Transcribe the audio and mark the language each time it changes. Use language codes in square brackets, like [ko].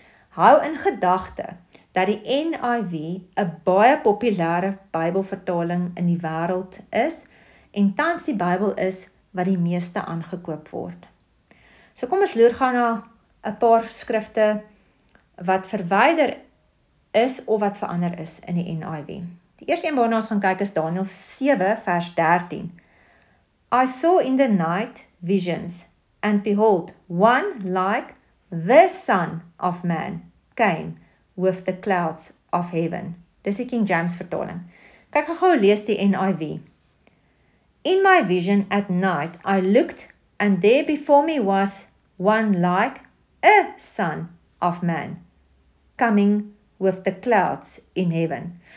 [af] Hou in gedagte dat die NIV 'n baie populêre Bybelvertaling in die wêreld is en tans die Bybel is wat die meeste aangekoop word. So kom ons loer gou na 'n paar skrifte wat verwyder is of wat verander is in die NIV. Die eerste een waarna ons gaan kyk is Daniël 7 vers 13. [en] I saw in the night visions and behold one like the son of man came with the clouds of heaven. [af] Dis die King James vertaling. Kyk gou lees die NIV. [en] In my vision at night I looked and there before me was one like a son of man coming with the clouds in heaven.